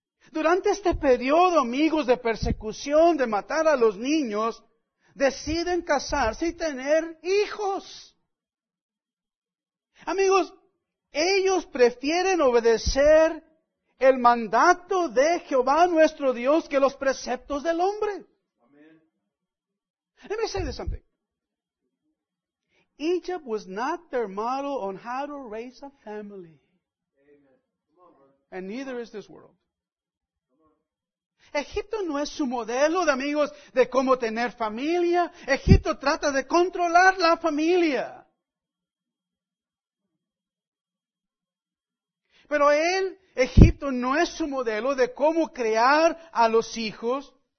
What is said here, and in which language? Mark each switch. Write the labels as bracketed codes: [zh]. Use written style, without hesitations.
[es] Durante este periodo, amigos, de persecución, de matar a los niños, deciden casarse y tener hijos. Amigos, ellos prefieren obedecer el mandato de Jehová nuestro Dios que los preceptos del hombre. [en] Let me say this something. Egypt was not their model on how to raise a family. And neither is this world. [es] Egipto no es su modelo de amigos de cómo tener familia. Egipto trata de controlar la familia. Pero Egipto no es su modelo de cómo crear a los hijos.